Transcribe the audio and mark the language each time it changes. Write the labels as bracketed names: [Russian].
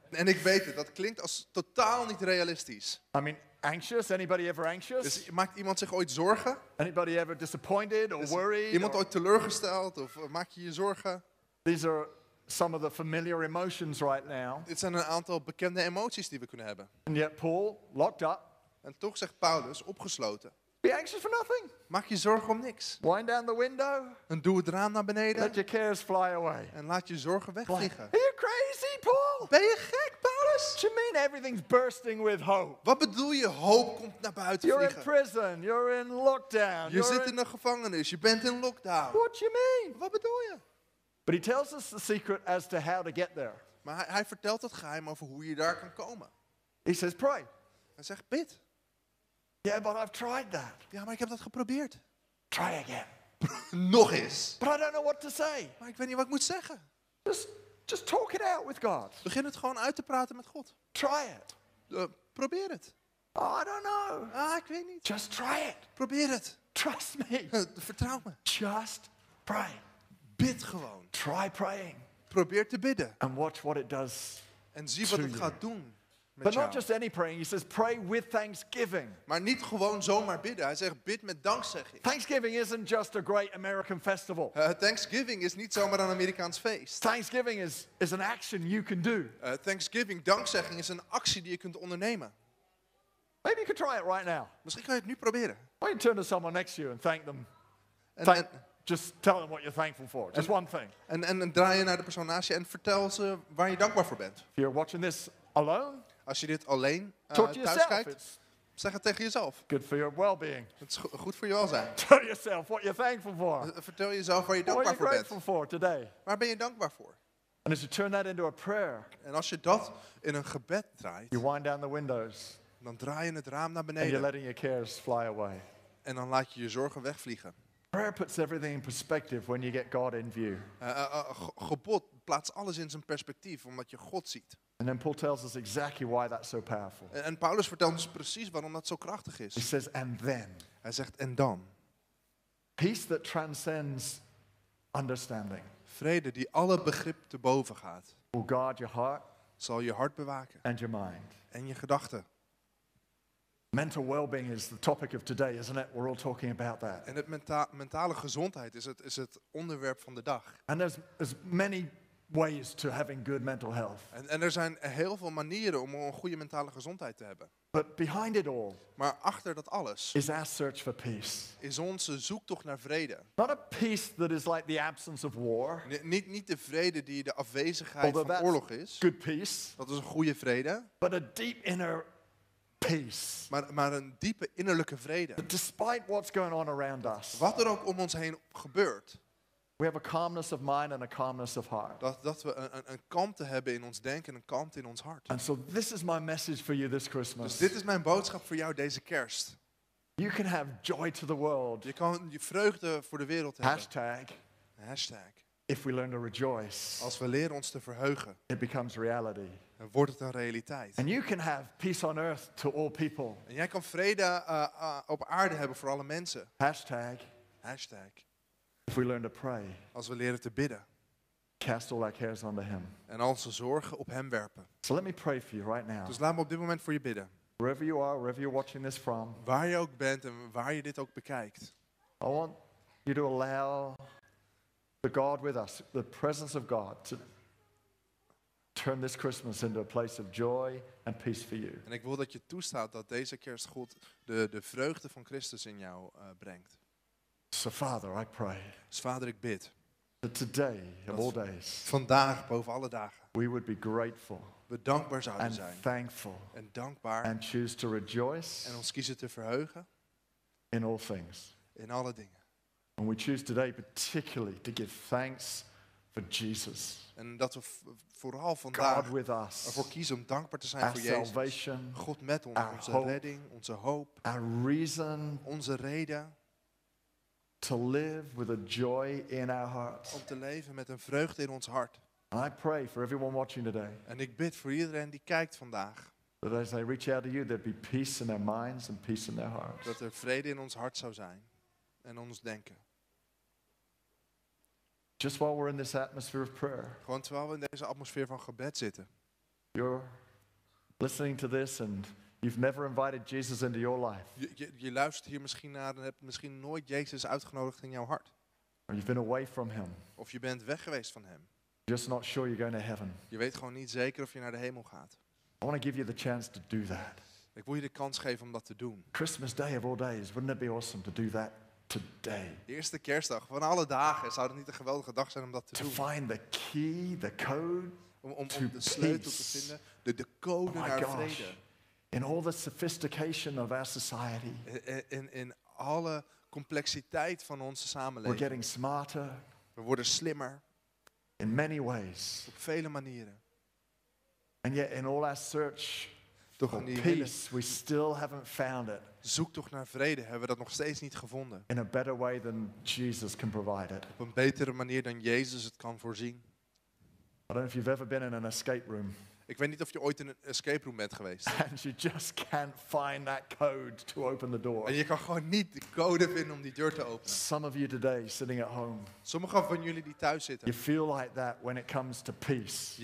[Dutch] En ik weet het, dat klinkt als totaal niet realistisch. [English] I mean, anxious? Anybody ever anxious? [Dutch] Dus maakt iemand zich ooit zorgen? [English] Anybody ever disappointed or worried? [Dutch] Iemand ooit teleurgesteld of maak je zorgen? [English] These are some of the familiar emotions right now. [Dutch] Dit zijn een aantal bekende emoties die we kunnen hebben. [English] And yet Paul, locked up. [Dutch] En toch zegt Paulus, opgesloten. [English] Be anxious for nothing. [Dutch] Maak je zorgen om niks. [English] Wind down the window. [Dutch] En doe het raam naar beneden. [English] Let your cares fly away. [Dutch] En laat je zorgen wegvliegen. [English] Are you crazy, Paul? [Dutch] Ben je gek, Paulus? [English] What do you mean everything's bursting with hope? [Dutch] Wat bedoel je, hoop komt naar buiten vliegen? [English] You're in prison. You're in lockdown. [Dutch] Je zit in de gevangenis. Je bent in lockdown. [English] What do you mean? [Dutch] Wat bedoel je? [English] But he tells us the secret as to how to get there. [Dutch] Maar hij vertelt het geheim over hoe je daar kan komen. [English] He says, pray. [Dutch] Hij zegt, bid. [English] Yeah, but I've tried that. [Dutch] Ja, maar ik heb dat geprobeerd. [English] Try again. [Dutch] Nog eens. [English] But I don't know what to say. [Dutch] Maar ik weet niet wat ik moet zeggen. [English] Just talk it out with God. [Dutch] Begin het gewoon uit te praten met God. [English] Try it. [Dutch] Probeer het. [English] Oh, I don't know. [Dutch] Ah, ik weet niet. [English] Just try it. [Dutch] Probeer het. [English] Trust me. [Dutch] Vertrouw me. [English] Just pray. [Dutch] Bid gewoon. [English] Try praying. [Dutch] Probeer te bidden. [English] And watch what it does. [Dutch] En zie wat het gaat doen. [English] But not just any praying. He says, pray with thanksgiving. [Dutch] Maar niet gewoon zomaar bidden. Hij zegt, bid met dankzegging. [English] Thanksgiving isn't just a great American festival. [Dutch] Thanksgiving is niet zomaar een Amerikaans feest. [English] Thanksgiving is an action you can do. [Dutch] Thanksgiving, dankzegging, is een actie die je kunt ondernemen. [English] Maybe you could try it right now. [Dutch] Misschien kan je het nu proberen. [English] Why don't you turn to someone next to you and thank them? Just tell them what you're thankful for. Just one thing. [Dutch] En draai je naar de persoon naast je en vertel ze waar je dankbaar voor bent. [English] If you're watching this alone, [Dutch] als je dit alleen thuis kijkt, zeg het tegen jezelf. [English] Good for your well-being. [Dutch] Het is goed voor je welzijn. [English] Tell yourself what you're thankful for. [Dutch] Vertel jezelf waar je dankbaar voor bent. [English] What are you grateful for today? [Dutch] Waar ben je dankbaar voor? [English] And as you turn that into a prayer, [Dutch] en als je dat in een gebed draait, [English] you wind down the windows, [Dutch] dan draai je het raam naar beneden. [English] And you're letting your cares fly away. [Dutch] En dan laat je je zorgen wegvliegen. [English] Prayer puts everything in perspective when you get God in view. [Dutch] Gebod plaatst alles in zijn perspectief omdat je God ziet. [English] And then Paul tells us exactly why that's so powerful. [Dutch] En Paulus vertelt ons precies waarom dat zo krachtig is. [English] He says, and then. [Dutch] Hij zegt, en dan. [English] Peace that transcends understanding. [Dutch] Vrede die alle begrip te boven gaat. [English] Will guard your heart. [Dutch] Zal je hart bewaken. [English] And your mind. [Dutch] En je gedachten. [English] Mental well-being is the topic of today, isn't it? We're all talking about that. [Dutch] En het mentale gezondheid is het onderwerp van de dag. [English] And there's many ways to having good mental health. [Dutch] En er zijn heel veel manieren om een goede mentale gezondheid te hebben. [English] But behind it all, [Dutch] maar achter dat alles, [English] is our search for peace. [Dutch] Is onze zoektocht naar vrede. [English] Not a peace that is like the absence of war. [Dutch] Niet de vrede die de afwezigheid van oorlog is. [English] Good peace. [Dutch] Dat is een goede vrede. [English] But a deep inner peace. [Dutch] Maar een diepe innerlijke vrede. [English] But despite what's going on around us. [Dutch] Wat er ook om ons heen gebeurt. [English] We have a calmness of mind and a calmness of heart. [Dutch] Dat we een kalmte hebben in ons denken en een kalmte in ons hart. [English] And so this is my message for you this Christmas. [Dutch] Dus dit is mijn boodschap voor jou deze kerst. [English] You can have joy to the world. [Dutch] Je kan je vreugde voor de wereld hebben. [English] Hashtag. If we learn to rejoice. [Dutch] Als we leren ons te verheugen. [English] It becomes reality. [Dutch] Dan wordt het een realiteit. [English] And you can have peace on earth to all people. [Dutch] En jij kan vrede op aarde hebben voor alle mensen. [English] Hashtag. If we learn to pray, [Dutch] als we leren te bidden, [English] cast all our cares onto Him, [Dutch] en al onze zorgen op Hem werpen. [English] So let me pray for you right now. [Dutch] Dus laat me op dit moment voor je bidden. [English] Wherever you are, wherever you're watching this from, [Dutch] waar je ook bent en waar je dit ook bekijkt, [English] I want you to allow the God with us, the presence of God, to turn this Christmas into a place of joy and peace for you. [Dutch] En ik wil dat je toestaat dat deze kerst God de vreugde van Christus in jou brengt. [English] So Father, I pray. [Dutch] Dus Vader, ik bid. [English] That today, of all days. [Dutch] Vandaag, boven alle dagen. [English] We would be grateful. [Dutch] We dankbaar zouden [English] and [Dutch] zijn. [English] And thankful. [Dutch] En dankbaar. [English] And choose to rejoice. [Dutch] En ons kiezen te verheugen. [English] In all things. [Dutch] In alle dingen. [English] And we choose today particularly to give thanks for Jesus. [Dutch] En dat we vooral vandaag [English] God with us, [Dutch] ervoor kiezen om dankbaar te zijn [English] our [Dutch] voor Jezus. [English] Salvation, [Dutch] God met ons, [English] our [Dutch] onze [English] hope, [Dutch] redding, onze hoop. [English] Our reason, [Dutch] onze reden. [English] To live with a joy in our hearts. [Dutch] Om te leven met een vreugde in ons hart. [English] And I pray for everyone watching today. [Dutch] En ik bid voor iedereen die kijkt vandaag. [English] That as they reach out to you, there'd be peace in their minds and peace in their hearts. [Dutch] Dat er vrede in ons hart zou zijn en ons denken. [English] Just while we're in this atmosphere of prayer. [Dutch] Gewoon terwijl we in deze atmosfeer van gebed zitten. [English] You're listening to this and you've never invited Jesus into your life. [Dutch] Je luistert hier misschien naar en hebt misschien nooit Jezus uitgenodigd in jouw hart. [English] Or you've been away from Him. [Dutch] Of je bent weg geweest van Hem. [English] You're just not sure you're going to heaven. [Dutch] Je weet gewoon niet zeker of je naar de hemel gaat. [English] I want to give you the chance to do that. [Dutch] Ik wil je de kans geven om dat te doen. [English] Christmas Day of all days, wouldn't it be awesome to do that today? [Dutch] Eerste Kerstdag van alle dagen, zou het niet een geweldige dag zijn om dat te doen? [English] To find the key, the code, [Dutch] om de sleutel [English] peace. [Dutch] Te vinden, de code oh naar vrede. [English] In all the sophistication of our society, [Dutch] in alle complexiteit van onze samenleving, [English] we're getting smarter, [Dutch] we worden slimmer, [English] in many ways, [Dutch] op vele manieren. [English] And yet, in all our search [Dutch] toch [English] for peace, we still haven't found it. [Dutch] Zoektocht naar vrede hebben we dat nog steeds niet gevonden. [English] In a better way than Jesus can provide it. [Dutch] Op een betere manier dan Jezus het kan voorzien. [English] I don't know if you've ever been in an escape room. [Dutch] Ik weet niet of je ooit in een escape room bent geweest. [English] And you just can't find that code to open the door. [Dutch] En je kan gewoon niet de code vinden om die deur te openen. [English] Some of you today sitting at home. [Dutch] Sommigen van jullie die thuis zitten. [English] You feel like that when it comes to peace.